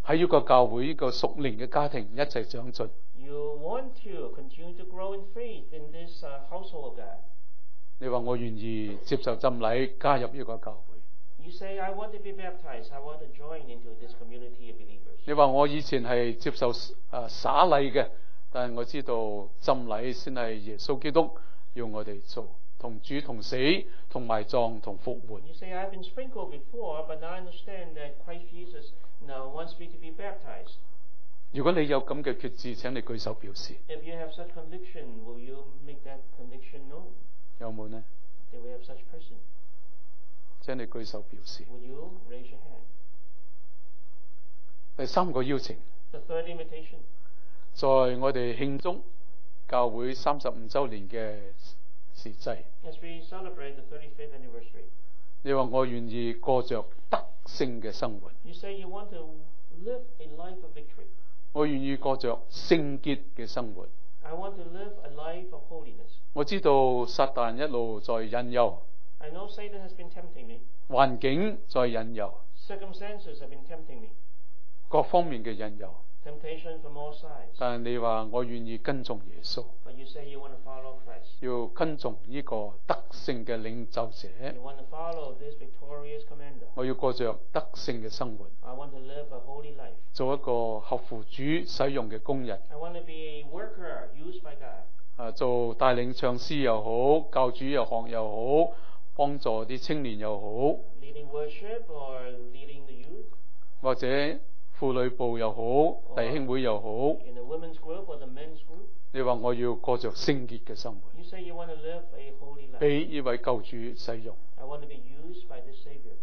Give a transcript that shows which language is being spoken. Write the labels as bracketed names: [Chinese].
[Chinese] 在这个教会，这个属灵的家庭一起长进。 [English] You want to continue to grow in faith in this household of God. [Chinese] 你说我愿意接受浸礼，加入这个教会。 [English] You say, I want to be baptized, I want to join into this community of believers. [Chinese] 你说我以前是接受洒礼的，但我知道浸礼才是耶稣基督要我们做，同主同死同埋葬同复活。 [English] You say I've been sprinkled before, but now I understand that Christ Jesus now wants me to be baptized. [Chinese] 如果你有这样的决志，请你举手表示。 [English] If you have such conviction, will you make that conviction known? [Chinese] 有没有呢？ [English] Do we have such person? [Chinese] 请你举手表示。 [English] Will you raise your hand? [Chinese] 第三个邀请。 [English] The third invitation. [Chinese] 在我们庆祝教会35周年的时际。 [English] As we celebrate the 35th anniversary. [Chinese] 你说我愿意过着得胜的生活。 [English] You say you want to live a life of victory. [Chinese] 我愿意过着圣洁的生活。 [English] I want to live a life of holiness. [Chinese] 我知道撒旦一路在引诱。 [English] I know Satan has been tempting me. [Chinese] 环境在引诱。 [English] Circumstances have been tempting me. [Chinese] 各方面的引诱， [English] Temptation from all sides. [Chinese] 但你说我愿意跟从耶稣， [English] But you say you want to follow Christ. [Chinese] 要跟从这个得胜的领袖者， [English] You want to follow this victorious commander. [Chinese] 我要过着得胜的生活， [English] I want to live a holy life. [Chinese] 做一个合乎主使用的工人， [English] I want to be a worker used by God. [Chinese] 做带领唱诗又好，教主又学又好，帮助青年又好， [English] Leading worship or leading the youth. [Chinese] 或者妇女部又好，弟兄会又好。 [English] In the women's group or the men's group, [Chinese] 你说我要过着圣洁的生活。 [English] You say you want to live a holy life. [Chinese] 被这位救主使用。 [English] I want to be used by this Savior.